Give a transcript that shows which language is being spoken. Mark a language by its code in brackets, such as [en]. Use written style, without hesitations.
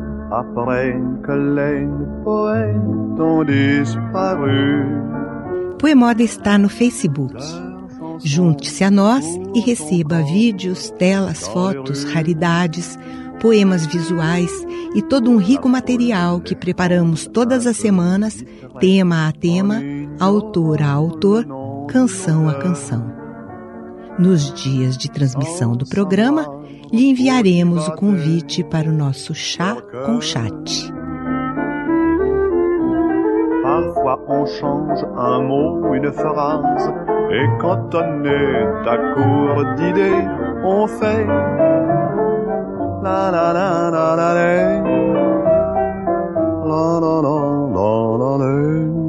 [fr] Après que les poètes ont disparu. [pt] Poemoda está no Facebook. Junte-se a nós e receba vídeos, telas, fotos, raridades, poemas visuais e todo um rico material que preparamos todas as semanas, tema a tema, autor a autor, canção a canção. Nos dias de transmissão do programa, lhe enviaremos o convite para o nosso chá com chat. [fr] Parfois on change un mot, une phrase, et quand on est à court d'idées, on fait la la la la la la la la la la la la.